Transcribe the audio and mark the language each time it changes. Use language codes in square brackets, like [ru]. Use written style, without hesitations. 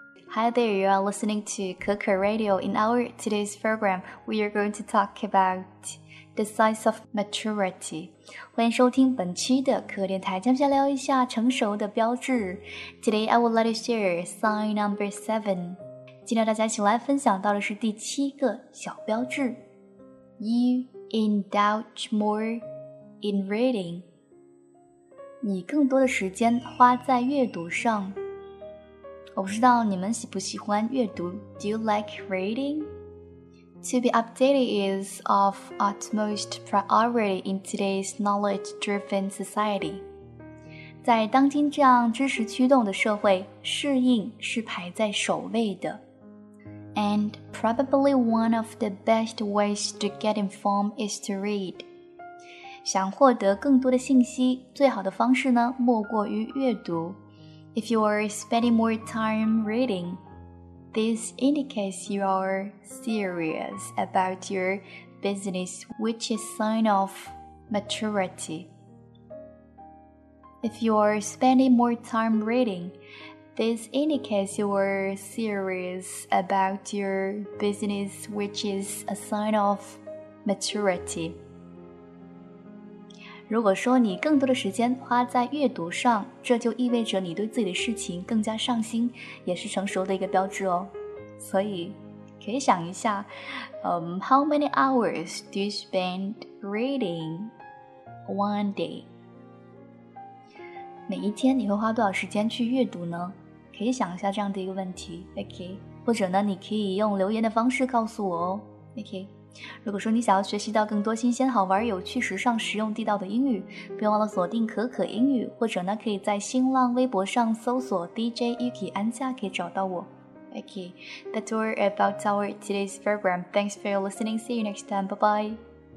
[en] Hi there, you are listening to Kekke Radio. In our today's program, we are going to talk about the signs of maturity. [zh] 欢迎收听本期的可电台，接下来聊一下成熟的标志。 [en] Today, I will let you share sign number 7. [zh] 今天大家一起来分享到的是第七个小标志。 [en] You indulge more in reading. [zh] 你更多的时间花在阅读上。我不知道你们喜不喜欢阅读。 [en] Do you like reading? To be updated is of utmost priority in today's knowledge-driven society. [zh] 在当今这样知识驱动的社会，适应是排在首位的。 [en] And probably one of the best ways to get informed is to read. [zh] 想获得更多的信息，最好的方式呢，莫过于阅读。 [en] If you are spending more time reading, this indicates you are serious about your business, which is a sign of maturity. If you are spending more time reading, this indicates you are serious about your business, which is a sign of maturity. [zh] 如果说你更多的时间花在阅读上，这就意味着你对自己的事情更加上心，也是成熟的一个标志哦。所以可以想一下， [en] How many hours do you spend reading one day? [zh] 每一天你会花多少时间去阅读呢？可以想一下这样的一个问题。 OK， 或者呢，你可以用留言的方式告诉我哦。 OK，如果说你想要学习到更多新鲜、好玩、有趣、时尚、实用、地道的英语，别忘了锁定可可英语，或者呢，可以在新浪微博上搜索 DJ Yuki 安夏，可以找到我。 [en] Okay, that's all about our today's program. Thanks for listening. See you next time. Bye bye.